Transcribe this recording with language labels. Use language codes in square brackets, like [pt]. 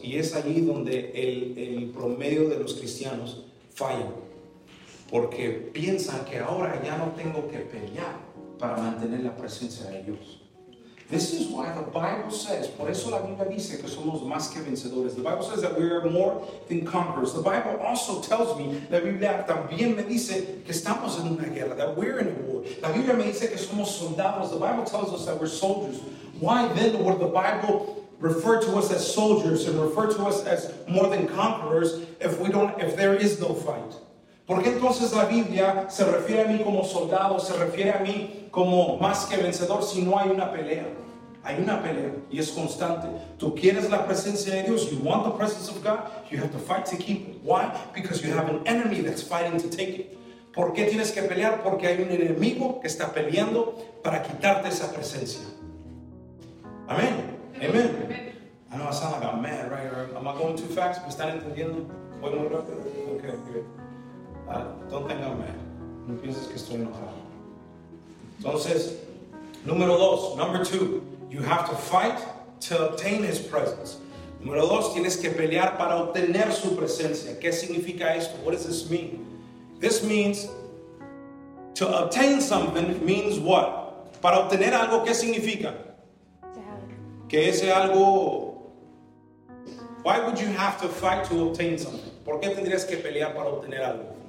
[es] Y es allí donde el promedio de los cristianos falla. Porque piensan que ahora ya no tengo que pelear para mantener la presencia de Dios. [en] This is why the Bible says, [es] por eso la Biblia dice que somos más que vencedores. [en] The Bible says that we are more than conquerors. The Bible also tells me, [es] la Biblia también me dice que estamos en una guerra, [en] that we're in a war. [es] La Biblia me dice que somos soldados. [en] The Bible tells us that we're soldiers. Why then would the Bible refer to us as soldiers and refer to us as more than conquerors if there is no fight? [es] ¿Por qué entonces la Biblia se refiere a mí como soldado, se refiere a mí como más que vencedor si no hay una pelea? Hay una pelea y es constante. Tú quieres la presencia de Dios. [en] You want the presence of God. You have to fight to keep it. Why? Because you have an enemy that's fighting to take it. [es] ¿Por qué tienes que pelear? Porque hay un enemigo que está peleando para quitarte esa presencia. Amén. Amén. [en] I know I sound like a man, right? Am I going too fast? [es] ¿Me están entendiendo? ¿Voy muy rápido? [en] Okay, good. Don't think I'm mad. [es] No pienses que estoy enojado. Entonces, número dos, [en] number two, you have to fight to obtain His presence. [es] Número dos, tienes que pelear para obtener su presencia. ¿Qué significa esto? [en] What does this mean? This means to obtain something means what? [es] Para obtener algo, ¿qué significa? [en] To have. [es] Que ese algo. [en] Why would you have to fight to obtain something? [es] ¿Por qué tendrías que pelear para obtener algo?